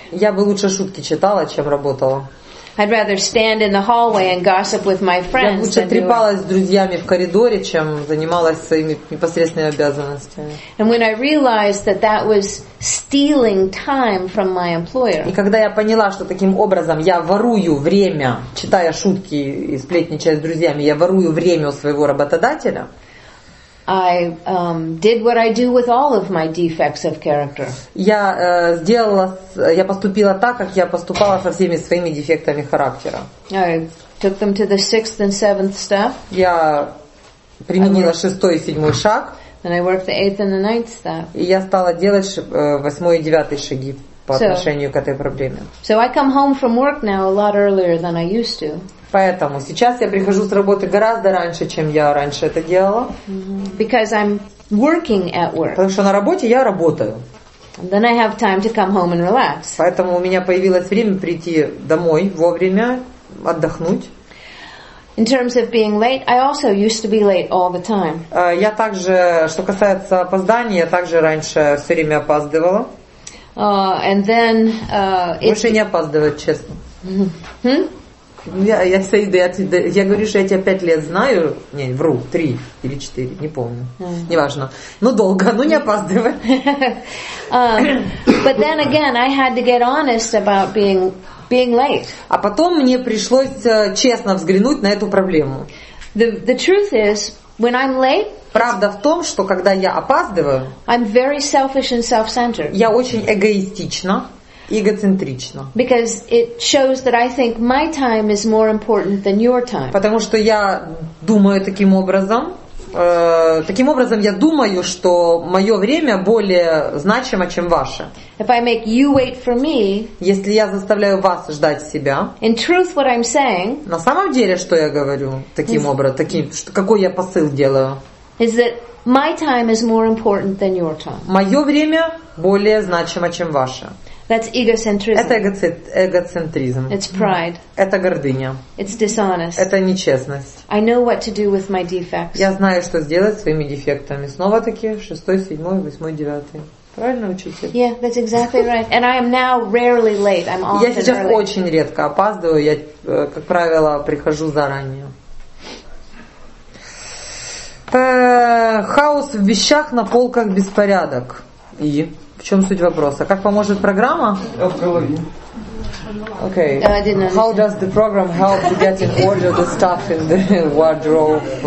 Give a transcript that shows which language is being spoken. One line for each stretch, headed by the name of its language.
Russian: Я бы лучше шутки читала, чем работала.
English: I'd rather stand in the hallway and gossip with my friends.
Russian: Я лучше трепалась с друзьями в коридоре, чем занималась своими непосредственными обязанностями.
English: And when I realized that that was stealing time from my employer.
Russian: И когда я поняла, что таким образом я ворую время, читая шутки и сплетничая с друзьями, я ворую время у своего работодателя.
English: I did what I do with all of my defects of character.
Russian: Я поступила так, как я поступала со всеми своими дефектами характера.
English: I took them to the 6th and 7th step.
Russian: Я применила 6-й и 7-й шаг.
English: And I worked the 8th and the 9th step.
Russian: И я стала делать 8-й и 9-й шаги по отношению к этой проблеме.
English: So I come home from work now a lot earlier than I used to.
Russian: Поэтому сейчас я прихожу с работы гораздо раньше, чем я раньше это делала.
English: Because I'm working at work.
Russian: Потому что на работе я работаю.
English: And then I have time to come home and relax.
Russian: Поэтому у меня появилось время прийти домой вовремя, отдохнуть.
English: In terms of being late, I also used to be late all the time.
Russian: Я также, что касается опозданий, я также раньше все время опаздывала.
English: And then,
Russian: больше не опаздывать, честно. Я говорю, что я тебя 5 лет знаю. Не, вру, 3 или 4, не помню. Неважно. Ну, долго, ну не опаздывай.
English: But then again, I had to get honest about being late.
Russian: А потом мне пришлось честно взглянуть на эту проблему.
English: The truth is, when I'm late,
Russian: правда в том, что когда я опаздываю,
English: I'm very selfish and self-centered.
Russian: Я очень эгоистична. Эгоцентрично.
English: Because it shows that I think my time is more important than your time.
Russian: Потому что я думаю таким образом я думаю, что мое время более значимо, чем ваше.
English: If I make you wait for me,
Russian: если я заставляю вас ждать себя,
English: in truth what I'm saying,
Russian: на самом деле, что я говорю какой я посыл делаю,
English: is that my time is more important than your time.
Russian: Мое время более значимо, чем ваше.
English: That's egocentrism.
Russian: Это эгоцентризм.
English: It's pride.
Russian: Это гордыня.
English: It's dishonest.
Russian: Это нечестность.
English: I know what to do with my defects.
Russian: Я знаю, что сделать своими дефектами. Снова таки 6-й, 7-й, 8-й, 9-й. Правильно, учитель?
English: Yeah, that's exactly right. And I am now rarely late. I'm often early.
Russian: Я сейчас очень редко опаздываю. Я, как правило, прихожу заранее. Хаос в вещах, на полках беспорядок. И... В чем суть вопроса? Как поможет программа? Да, в голове.
English: Okay. No, I didn't understand. How does the program help to get in order the stuff in the wardrobe?